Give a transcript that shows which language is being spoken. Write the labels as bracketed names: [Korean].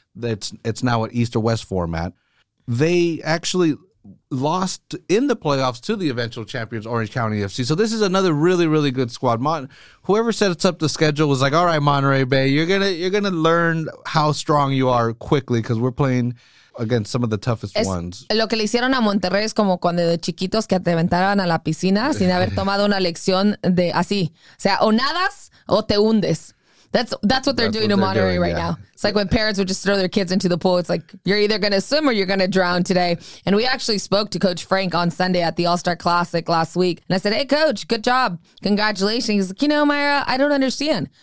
[English] It's now an East or West format. They actually lost in the playoffs to the eventual champions, Orange County FC. So this is another really, really good squad. Whoever sets up the schedule was like, all right, Monterey Bay, you're gonna learn how strong you are quickly, because we're playing against some of the toughest ones. [Spanish] Lo que le hicieron a Monterrey es como cuando de chiquitos que te aventaban a la piscina sin haber tomado una lección de así. O sea, o nadas o te hundes. [English] That's what they're doing to Monterrey right now. It's like when parents would just throw their kids into the pool. It's like, you're either going to swim or you're going to drown today. And we actually spoke to Coach Frank on Sunday at the All-Star Classic last week. And I said, hey, Coach, good job. Congratulations. He's like, you know, Myra, I don't understand.